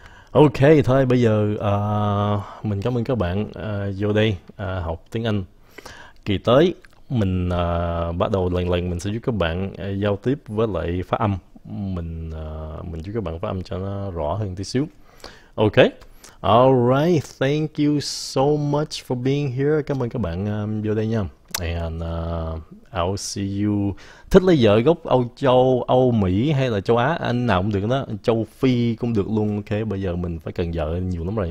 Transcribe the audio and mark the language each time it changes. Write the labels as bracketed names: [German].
[Vietnamese] Okay, thôi bây giờ mình cảm ơn các bạn vô đây học tiếng Anh. Kỳ tới mình bắt đầu lần lần mình sẽ giúp các bạn giao tiếp với lại phát âm. Mình giúp các bạn phát âm cho nó rõ hơn tí xíu. Okay. [English] All right, thank you so much for being here. [Vietnamese] Cảm ơn các bạn vô đây nha. [English] And I'll see you. [Vietnamese] Thích lấy vợ gốc Âu Châu, Âu Mỹ hay là châu Á, anh nào cũng được đó. Châu Phi cũng được luôn. Ok, bây giờ mình phải cần vợ nhiều lắm rồi.